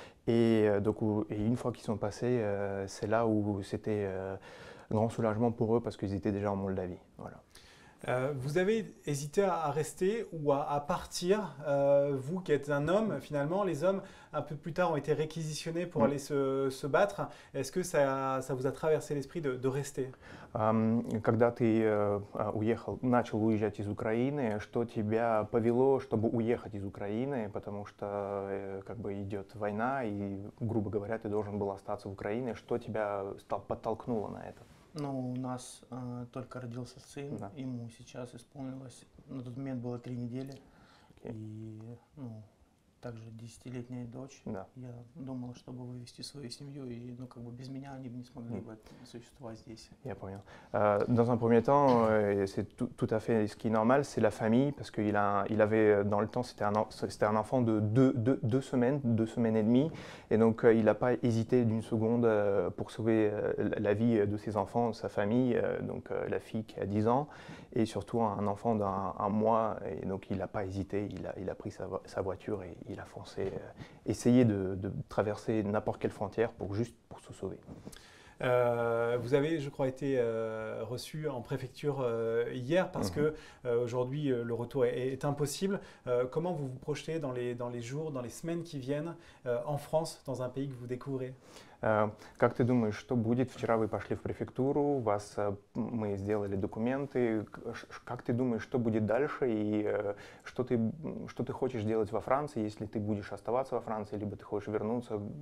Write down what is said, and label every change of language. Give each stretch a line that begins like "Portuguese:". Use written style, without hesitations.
French: Et une fois qu'ils sont passés, c'est là où c'était un grand soulagement pour eux parce qu'ils étaient déjà en Moldavie. Voilà. Vous avez hésité à rester ou à partir, vous qui êtes un homme finalement, les hommes un peu plus tard ont été réquisitionnés pour aller se battre. Est-ce que ça vous a traversé l'esprit de rester?
Russian: Когда ты уехал, начал уезжать из Украины, что тебя повело, чтобы уехать из Украины, потому что как бы идет война и, грубо говоря, ты должен был остаться в Украине, что тебя подтолкнуло на это? Ну, у нас только родился сын, да. Ему сейчас исполнилось, на тот момент было 3 недели, okay. И ну, также 10-летняя дочь, да. Я думал, чтобы вывести свою семью, и ну, как бы без меня они бы не смогли бы существовать здесь. Я понял.
French: Dans un premier temps, c'est tout à fait ce qui est normal, c'est la famille, parce qu'il a, il avait dans le temps, c'était un enfant de deux semaines et demie, et donc il n'a pas hésité d'une seconde pour sauver la vie de ses enfants, sa famille, donc la fille qui a 10 ans, et surtout un enfant d'un mois, et donc il n'a pas hésité, il a pris sa voiture et il a foncé, essayé de traverser n'importe quelle frontière pour juste pour se sauver. Vous avez, je crois, été reçu en préfecture hier parce mm-hmm. que aujourd'hui le retour est impossible. Comment vous vous projetez dans les jours, dans les semaines qui viennent en France, dans un pays que vous découvrez?
Russian: Как ты думаешь, что будет? Вчера вы пошли в префектуру, вас мы сделали документы. Как ты думаешь, что будет дальше и что ты хочешь делать во Франции, если ты будешь оставаться во Франции, либо ты хочешь вернуться?